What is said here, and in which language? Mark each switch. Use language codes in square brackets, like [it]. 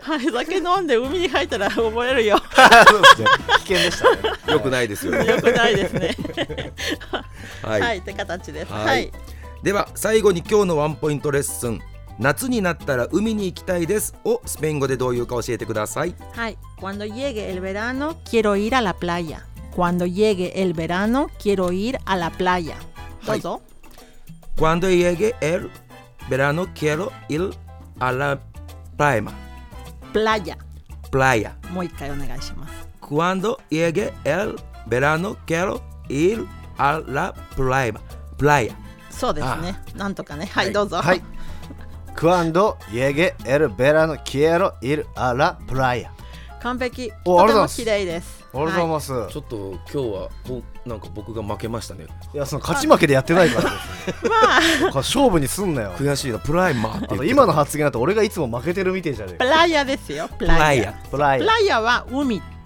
[ja] はい、酒飲んで海に入ったら溺れるよ危険でしたね。よくないですよね。よくないですねはい、はい、って形です、はいはい、では最後に今日のワンポイントレッスン、夏になったら海に行きたいですをスペイン語でどういうか教えてください。 [es] はい、 Cuando llegue el verano quiero ir a la playa. Cuando llegue el verano quiero ir a la playa. [ja] どうぞ、はい、 [es] Cuando llegue el verano quiero ir a la playa. Playa. Playa. [ja] もう一回お願いします。 [es] Cuando llegue el verano quiero ir a la playa. Playa. [ja] そうですね、なんとかね、はい、はい、どうぞ、はい。 [es] Cuando llegue el verano quiero ir a la playa. [ja] 完璧。とても綺麗です。ありがとうございます。ちょっと今日はなんか僕が負けましたね。いや、その勝ち負けでやってないからです、ね。まあ、勝負にすんなよ。悔しいな。プライマーって言って。今の発言だと俺がいつも負けてるみてえじゃねえ。プライヤですよ。プライヤ。プライヤ。プライヤは海って。